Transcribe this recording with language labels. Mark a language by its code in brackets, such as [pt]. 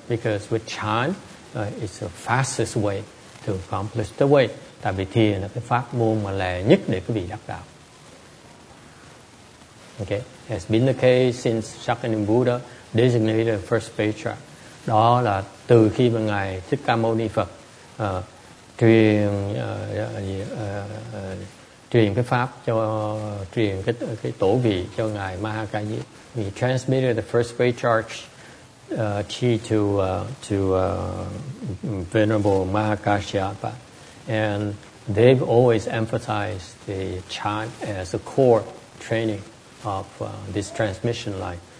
[en] Because with Chan, it's the fastest way to accomplish the way. [vi] Tại vì thiền là cái pháp môn mà lẹ nhất để quý vị đắc đạo. [en] Okay, has been the case since Shakyamuni Buddha designated the first patriarch. [vi] Đó là từ khi mà ngài Thích Ca Mâu Ni Phật truyền cái tổ vị cho ngài Mahakayip. [en] He transmitted the first patriarch to Venerable Mahakashyapa, and they've always emphasized the chant as a core training of this transmission line.